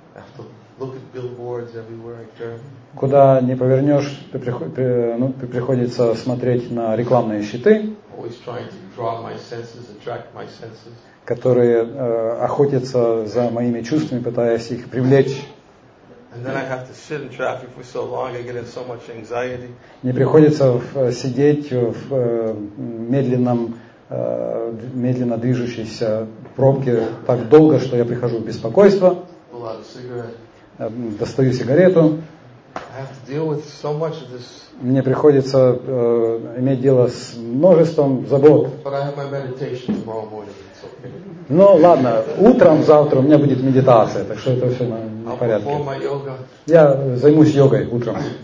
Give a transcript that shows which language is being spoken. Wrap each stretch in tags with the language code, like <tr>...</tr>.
<en>Have to look at billboards everywhere in Germany.</en> <ru>Куда не повернешь, приходится смотреть на рекламные щиты,</ru> <en>always trying to draw my senses, attract my senses,</en> <ru>которые охотятся за моими чувствами, пытаясь их привлечь.</ru> <en>And then I have to sit in traffic for so long, I get in so much anxiety.</en> <ru>Мне приходится сидеть в медленном медленно движущейся пробке так долго, что я прихожу в беспокойство.</ru> <en>Pull out a cigarette.</en> <ru>Достаю сигарету.</ru> <en>I have to deal with so much of this.</en> <ru>Мне приходится иметь дело с множеством забот.</ru> <en>But I have my meditation tomorrow morning.</en> <ru>Ну ладно, утром завтра у меня будет медитация, так что это все на порядке. Я займусь йогой утром.</ru>